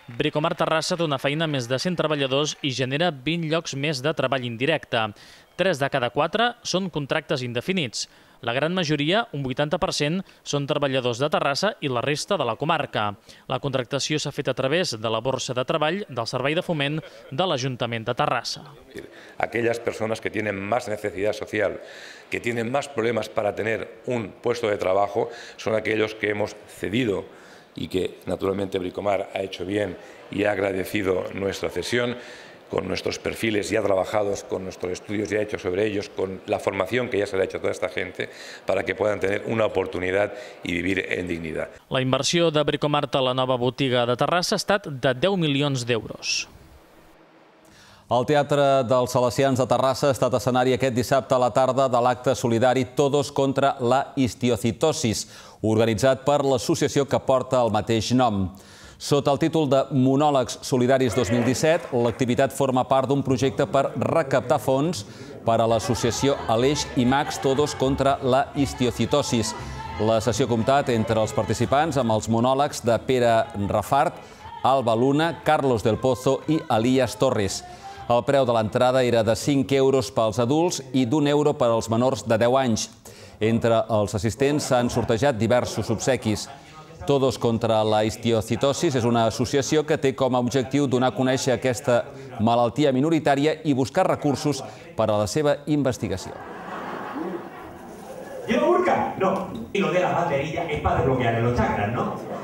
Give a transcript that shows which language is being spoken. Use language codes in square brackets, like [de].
[ca] Bricomart Terrassa té una feina amb més de 100 treballadors i genera 20 llocs més de treball indirecte. 3 de cada 4 són contractes indefinits. La gran majoria, un 80%, són treballadors de Terrassa i la resta de la comarca. La contractació s'ha fet a través de la borsa de treball del Servei de Foment de l'Ajuntament de Terrassa. Aquelles persones que [es] tienen más necesidad social, que tienen más problemas para tener un puesto de trabajo, son aquellos que hemos cedido y que, naturalmente, Bricomart ha hecho bien y ha agradecido nuestra cesión. Con nuestros perfiles ya trabajados, con nuestros estudios ya hechos sobre ellos, con la formación que ya se le ha hecho a toda esta gente, para que puedan tener una oportunidad y vivir en dignidad. [ca] La inversió de Bricomart a la nova botiga de Terrassa ha estat de 10 milions d'euros. El Teatre dels Salesians de Terrassa ha estat escenari aquest dissabte a la tarda de l'acte solidari Todos contra la histiocitosis, organitzat per l'associació que porta el mateix nom. Sota el títol de Monòlegs Solidaris 2017, l'activitat forma part d'un projecte per recaptar fons per a l'associació Aleix i Max Todos contra la histiocitosis. La sessió ha comptat entre els participants amb els monòlegs de Pere Rafart, Alba Luna, Carlos del Pozo i Elías Torres. El preu de l'entrada era de 5 euros pels adults i d'un euro per als menors de 10 anys. Entre els assistents s'han sortejat diversos obsequis. Todos contra la histiocitosis és una associació que té com a objectiu donar a conèixer aquesta malaltia minoritària i buscar recursos per a la seva investigació. [es] ¿Lleva burka? No. Y lo de las banderillas es para desbloquear los chakras, ¿no?